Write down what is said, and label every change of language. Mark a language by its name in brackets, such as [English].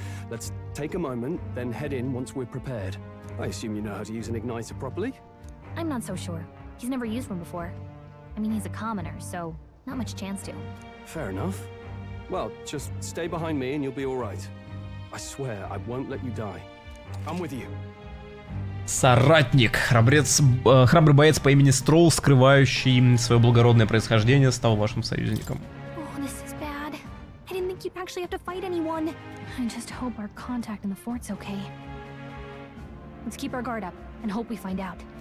[English] Let's take a moment, then head in once we're prepared. I assume you know how to use an igniter properly? I'm not so sure. He's never used one before. I mean, he's a commoner, so not much chance to. Fair enough. Well, just stay behind me and you'll be all right. I swear, I won't let you die. I'm with you. [Russian] Соратник, храбрый боец по имени Строл, скрывающий свое благородное происхождение, стал вашим союзником. [English] Oh, this is bad. I didn't think you'd actually have to fight anyone. I just hope our contact in the fort's okay. Let's keep our guard up and hope we find out.